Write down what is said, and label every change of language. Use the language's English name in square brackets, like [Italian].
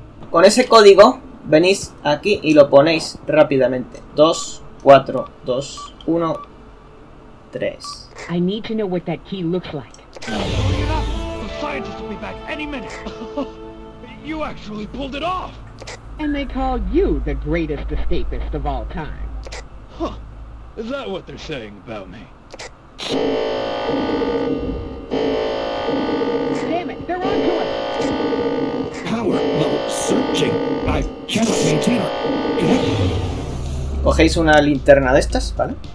[Spanish] Con ese código venís aquí y lo ponéis rápidamente. 2, 4, 2, 1, 3. [English] I need to know what that key looks like. The scientists will be back any minute. You actually pulled it off. And they call you the greatest escapist of all time. Huh. Is that what they're saying about me? Damn it, they're onto us! Power level searching. I cannot maintain our connection. [Spanish] ¿Cogéis una linterna de estas, vale?